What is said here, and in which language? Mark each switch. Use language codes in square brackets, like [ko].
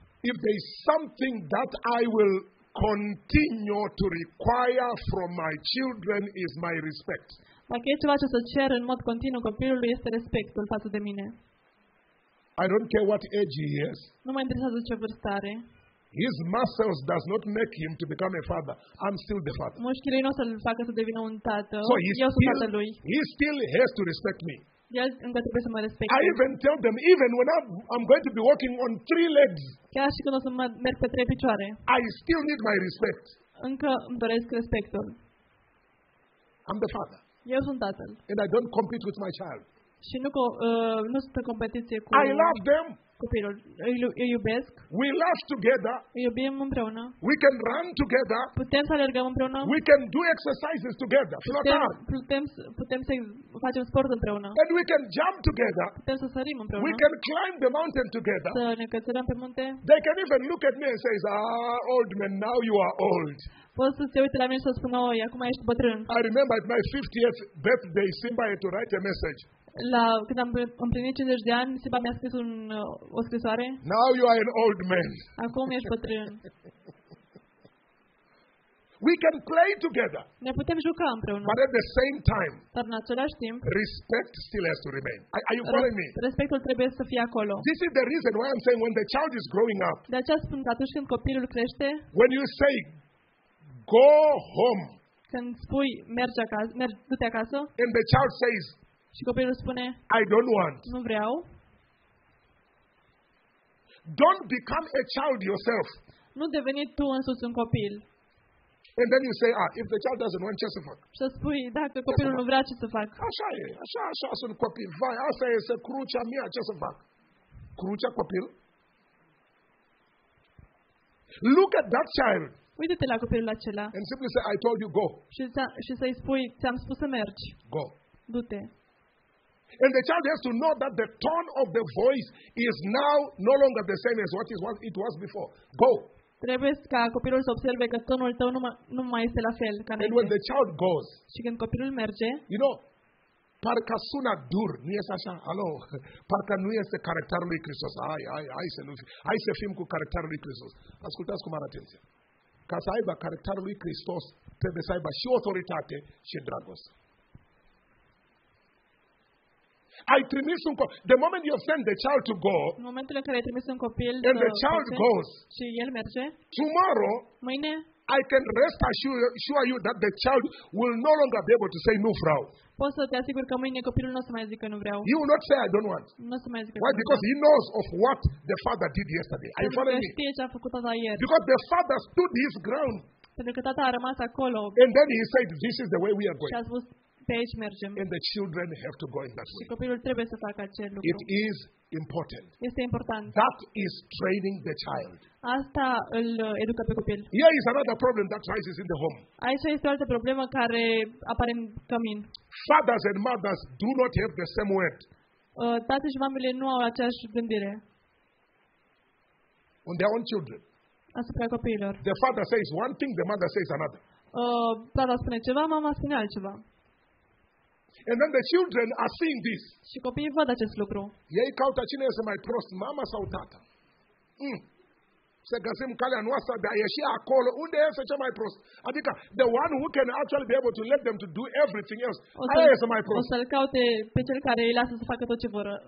[en] If there is something that I will continue to require from my children is my respect. [ro] Dacă e ceva ce să cer în mod continuu copilului este respectul față de mine. [en] I don't care what age he is. [ro] Nu mă interesează ce vârstă are. [en] His muscles does not make him to become a father. I'm still the father. [ro] Mușchile nu o să-l facă să devină un tată. [en] So [ro] eu sunt tatăl lui. [en] He still has to respect me. [ro] El încă trebuie să mă respecte. [en] I even tell them, even when I'm going to be walking on three legs. [ro] Chiar și când o să merg pe trei picioare. [en] I still need my respect. [ro] Încă îmi doresc respectul. [en] I'm the father. [ro] Eu sunt tatăl. [en] And I don't compete with my child. [ro] Și nu, nu sunt pe competiție cu [en] I love them. [ro] Copilul. Îi iubesc. [en] We laugh together. [ro] Îi iubim împreună. [en] We can run together. [ro] Putem să alergăm împreună. [en] We can do exercises together. [ro] Putem să facem sport împreună. [en] And we can jump together. [ro] Putem să sărim împreună. [en] We can climb the mountain together. [ro] Să ne cățărăm pe munte. [en] They can even look at me and say, "Ah, old man, now you are old." [ro] Poți să se uite la mine și să spună, "Oi, acum ești bătrân." [en] I remember at my 50th birthday, Simba had to write a message. [ro] La când am împlinit 50 de ani, Simba mi-a scris o scrisoare. [en] Now you are an old man. [ro] Acum ești bătrân. [en] We can play together. [ro] Ne putem juca împreună. [en] But at the same time. [ro] Dar în același timp. [en] Respect still has to remain. Are you following me? [ro] Respectul trebuie să fie acolo. [en] This is the reason why I'm saying when the child is growing up. [ro] De aceea spun că atunci când copilul crește. [en] When you say go home. [ro] Când spui mergi acasă, mergi du-te acasă. [en] And the child says [ro] și copilul spune, [en] I don't want. [ro] Nu vreau. [en] Don't become a child yourself. [ro] Nu deveni tu însuți un copil. [en] And then you say, ah, if the child doesn't want, [ro] ce să fac? Și spui, dacă copilul nu vrea, ce să fac? Așa e, așa sunt copil. Vai, asta e să crucea mea, ce să fac? Crucea copil? [en] Look at that child. [ro] Uite-te la copilul acela. [en] And simply say, I told you, go. [ro] Și să-i spui, ți-am spus să mergi. [en] Go. [ro] Du-te. [en] And the child has to know that the tone of the voice is now no longer the same as what it was before. Go. [ro] Trebuie ca copilul să observe că tonul tău nu mai este la fel ca înainte. [en] And when the child goes. [ro] Și când copilul merge. [en] You know, [ro] parcă sună dur, nu e așa? Alo, parcă nu este caracterul lui Hristos. Hai să fim cu caracterul lui Hristos. Ascultați cu mare atenție. Ca să aibă caracterul lui Hristos, trebuie să aibă și autoritate și dragoste. Ai trimis un copil. [en] The moment you send the child to go. [ro] În momentul în care ai trimis un copil. [en] And the child goes. [ro] Și el merge. [en] Tomorrow. [ro] Mâine. [en] I can rest assure you that the child will no longer be able to say [ro] nu vreau. Pot să te asigur că mâine copilul nu o să mai zică nu vreau. [en] He will not say I don't want. [ro] Nu o să mai zică. [en] Why? Because he knows of what the father did yesterday. Are you following me? [ro] Ce a făcut tata ieri. [en] Because the father stood his ground. [ro] Pentru că tata a rămas acolo. [en] And then he said, "This is the way we are going." [ro] Și a spus, pe aici mergem. [en] And the children have to go in that way. [ro] Și copilul trebuie să facă acel lucru. [en] It is important. [ro] Este important. [en] That is training the child. [ro] Asta îl educa pe copil. [en] Here is another problem that rises in the home. [ro] Aici este o altă problemă care apare în cămin. [en] Fathers and mothers do not have the same word. [ro] Tatăl și mamele nu au aceeași gândire. [en] On their own children. [ro] Asupra copiilor. [en] The father says one thing, the mother says another. [ro] Tata spune ceva, mama spune altceva. [en] And then the children are seeing this. [ro] Și copiii văd acest lucru. Ei caută cine este mai prost, mama sau tata. Să găsim calea noastră de a ieși acolo. Unde este cel mai prost? Adică, [en] the one who can actually be able to let them to do everything else. [ro] Aia este mai prost. O să-l caute pe cel care îi lasă să facă tot ce vor.